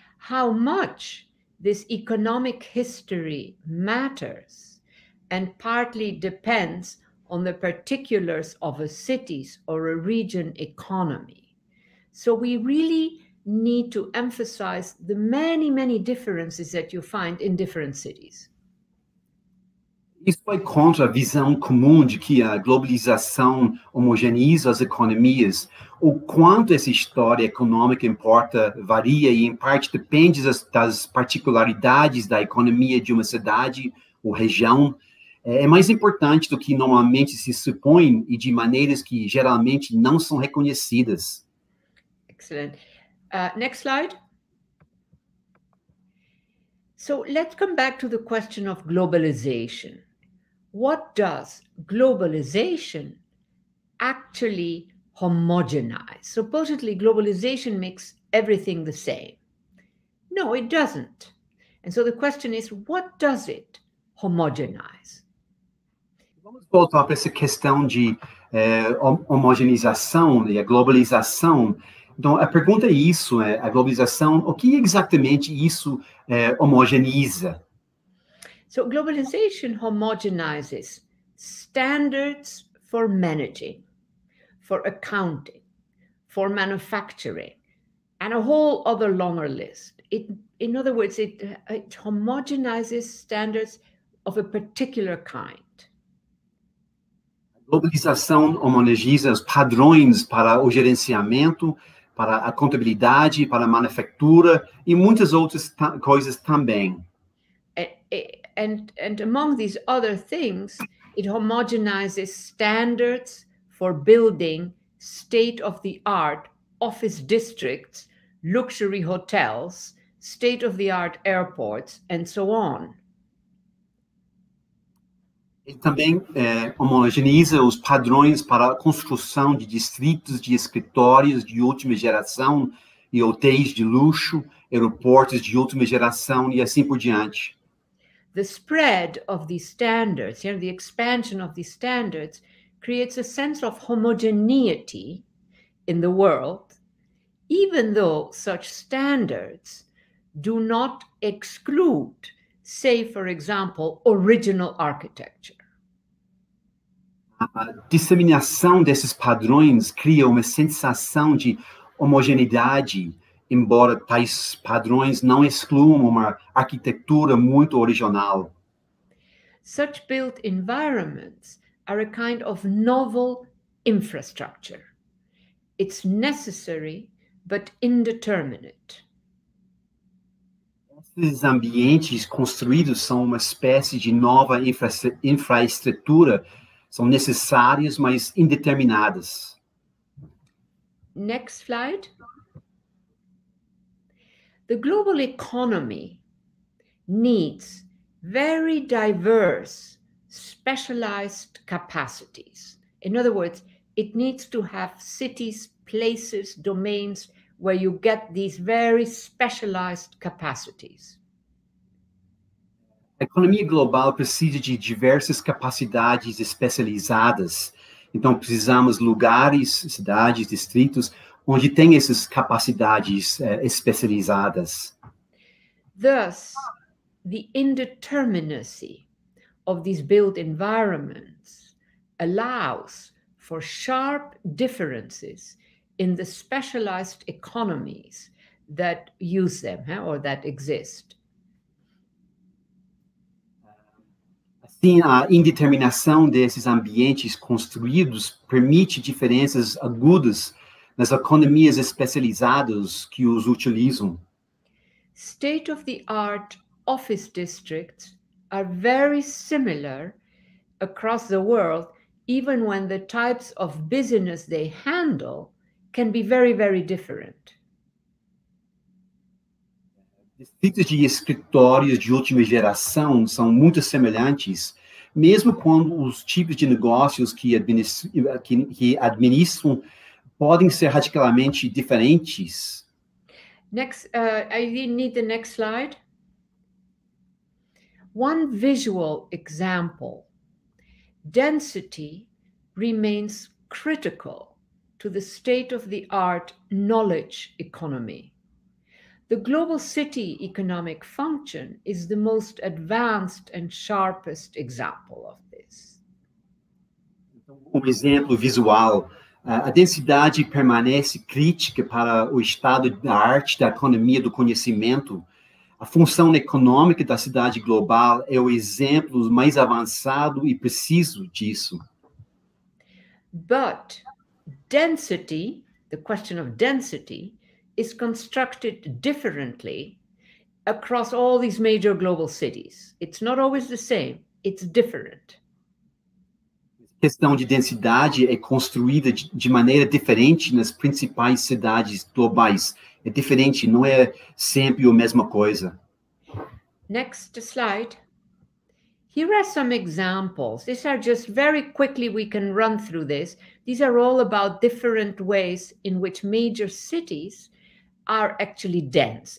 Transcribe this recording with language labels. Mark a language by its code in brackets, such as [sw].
[en] How much this economic history matters and partly depends on the particulars of a city's or a region economy. So we really need to emphasize the many, many differences that you find in different cities. [pt] Isso vai contra a visão comum de que a globalização homogeneiza as economias. O quanto essa história econômica importa varia e, em parte, depende das particularidades da economia de uma cidade ou região. É mais importante do que normalmente se supõe e de maneiras que geralmente não são reconhecidas. [en] Excellent. Next slide. So let's come back to the question of globalization. What does globalization actually homogenize? Supposedly globalization makes everything the same. No, it doesn't. And so the question is, what does it homogenize? [pt] Vamos voltar para essa questão de homogeneização e a globalização. Então, a pergunta é isso, a globalização, o que exatamente isso homogeneiza? [en] So, globalization homogenizes standards for managing, for accounting, for manufacturing, and a whole other longer list. In other words, it homogenizes standards of a particular kind. [pt] Globalização homogeneiza os padrões para o gerenciamento, para a contabilidade, para a manufatura e muitas outras coisas também. [en] And among these other things, it homogenizes standards for building state-of-the-art office districts, luxury hotels, state-of-the-art airports, and so on. [pt] Ele também homogeneiza os padrões para a construção de distritos de escritórios de última geração e hotéis de luxo, aeroportos de última geração e assim por diante. [en] The spread of these standards, you know, the expansion of these standards, creates a sense of homogeneity in the world, even though such standards do not exclude, say, for example, original architecture. [pt] A disseminação desses padrões cria uma sensação de homogeneidade, embora tais padrões não excluam uma arquitetura muito original. [en] Such built environments are a kind of novel infrastructure. It's necessary, but indeterminate. [pt] Esses ambientes construídos são uma espécie de nova infraestrutura, são necessárias, mas indeterminadas. [en] Next slide. The global economy needs very diverse, specialized capacities. In other words, it needs to have cities, places, domains where you get these very specialized capacities. [pt] A economia global precisa de diversas capacidades especializadas. Então, precisamos lugares, cidades, distritos, onde tem essas capacidades especializadas. [en] Thus, the indeterminacy of these built environments allows for sharp differences in the specialized economies that use them, or that exist. [pt] Assim, a indeterminação desses ambientes construídos permite diferenças agudas nas economias especializadas que os utilizam. [en] State-of-the-art office districts are very similar across the world, even when the types of business they handle can be very, very different. [pt] Distritos de escritórios de última geração são muito semelhantes, mesmo quando os tipos de negócios que administram podem ser radicalmente diferentes. [en] I need the next slide. One visual example. Density remains critical to the state-of-the-art knowledge economy. The global city economic function is the most advanced and sharpest example of this. [pt] Exemplo visual. A densidade permanece crítica para o estado da arte da economia do conhecimento. A função econômica da cidade global é o exemplo mais avançado e preciso disso. [en] But density, the question of density, is constructed differently across all these major global cities. It's not always the same, it's different. [pt] A questão de densidade é construída de maneira diferente nas principais cidades globais. É diferente, não é sempre a mesma coisa. [en] Next slide. Here are some examples. These are just very quickly we can run through this. These are all about different ways in which major cities are actually dense.